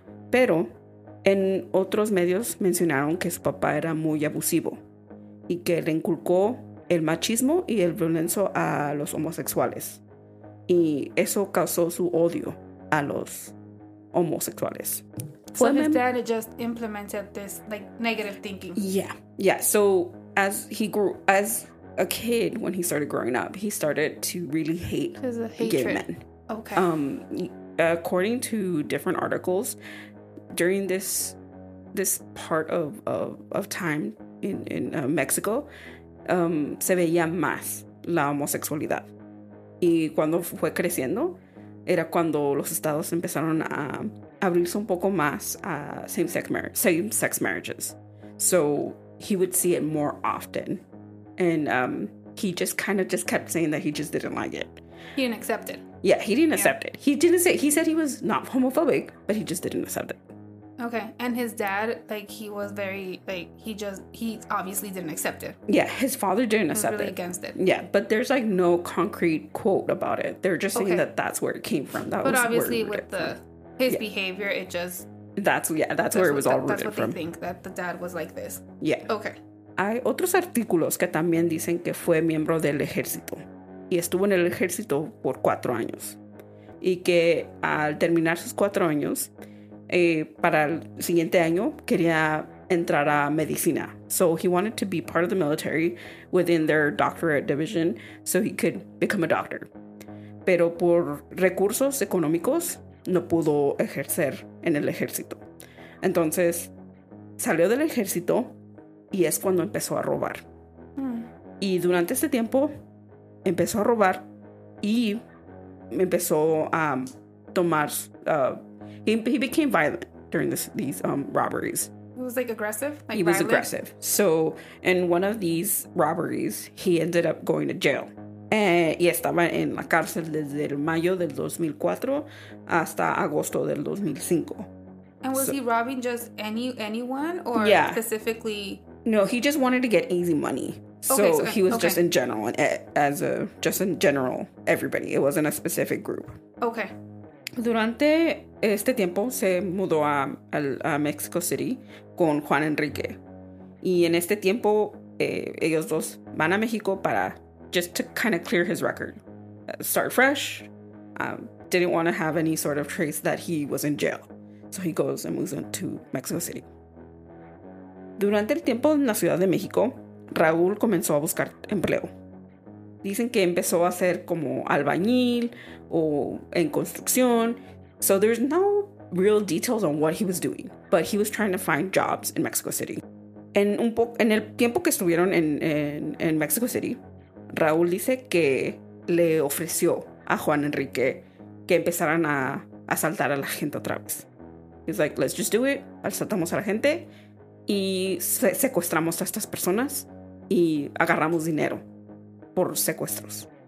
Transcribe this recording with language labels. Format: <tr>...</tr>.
<es>Pero en otros medios mencionaron que su papá era muy abusivo y que le inculcó el machismo y el violencia a los homosexuales. Y eso causó su odio a los homosexuales.</es> <en>So his dad just implemented this like negative thinking. Yeah. So as he grew, as a kid, when he started growing up, he started to really hate gay men. Okay. According to different articles, during this part of time in Mexico, se veía más la homosexualidad. Y cuando fue creciendo,</en> <es>era cuando los estados empezaron a abrirse un poco más a same-sex marriages.</es> <en>So he would see it more often. And he just kind of just kept saying that he just didn't like it. He didn't accept it. Yeah, he didn't accept it. He said he was not homophobic, but he just didn't accept it. Okay. And his dad, like, he was very, like, he obviously didn't accept it. Yeah, his father didn't accept it. Really against it. Yeah, but there's, like, no concrete quote about it. They're just saying that that's where it came from. But obviously with his behavior, it just... That's where it was all rooted from. That's what they think, that the dad was like this. Yeah. Okay.</en> <es>Hay otros artículos que también dicen que fue miembro del ejército. Y estuvo en el ejército por 4 años. Y que al terminar sus 4 años... para el siguiente año quería entrar a medicina.</es> <en>So he wanted to be part of the military within their doctorate division so he could become a doctor.</en> <es>Pero por recursos económicos no pudo ejercer en el ejército. Entonces salió del ejército y es cuando empezó a robar. Y durante este tiempo empezó a robar y empezó a tomar...</es> <en>He became violent during these robberies. It was, like, aggressive? Like he violent? Was aggressive. So, in one of these robberies, he ended up going to jail.</en> <es>Y estaba en la cárcel desde el mayo del 2004 hasta agosto del 2005.</es> <en>And was he robbing just anyone or specifically? No, he just wanted to get easy money. So he was just in general, everybody. It wasn't a specific group. Okay.</en> <es>Durante este tiempo se mudó a Mexico City con Juan Enrique. Y en este tiempo ellos dos van a México para just to kind of clear his record. Start fresh.</es> <en>Didn't want to have any sort of trace that he was in jail. So he goes and moves on to Mexico City.</en> <es>Durante el tiempo en la Ciudad de México, Raúl comenzó a buscar empleo. Dicen que empezó a hacer como albañil o en construcción.</es> <en>So there's no real details on what he was doing, but he was trying to find jobs in Mexico City.</en> <es>En el tiempo que estuvieron en Mexico City, Raúl dice que le ofreció a Juan Enrique que empezaran a asaltar a la gente otra vez. He's like, let's just do it. Asaltamos a la gente y secuestramos a estas personas y agarramos dinero por secuestros.</es>